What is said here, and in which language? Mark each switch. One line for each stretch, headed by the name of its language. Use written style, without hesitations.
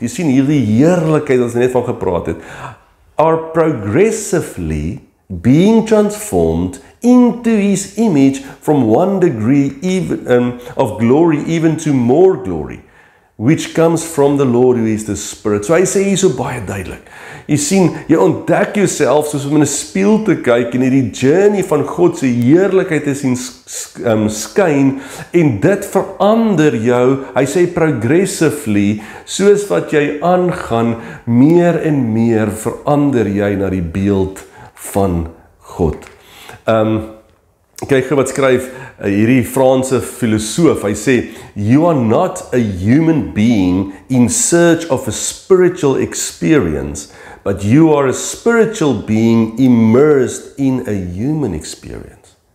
Afrikaans: Jy sien hierdie heerlikheid wat ons net van gepraat het,
English: are progressively being transformed into his image from one degree even of glory even to more glory, which comes from the Lord who is the Spirit.
Afrikaans: So hy sê hier so baie duidelik. Jy sien, jy ontdek jouself soos om in 'n spieël te kyk en hierdie journey van God se heerlikheid te sien skyn en dit verander jou, hy sê progressively, soos wat jy aangaan, meer en meer verander jy na die beeld van God. Kyk wat skryf hierdie Franse filosoof, hy sê,
English: you are not a human being in search of a spiritual experience, but you are a spiritual being immersed in a human experience.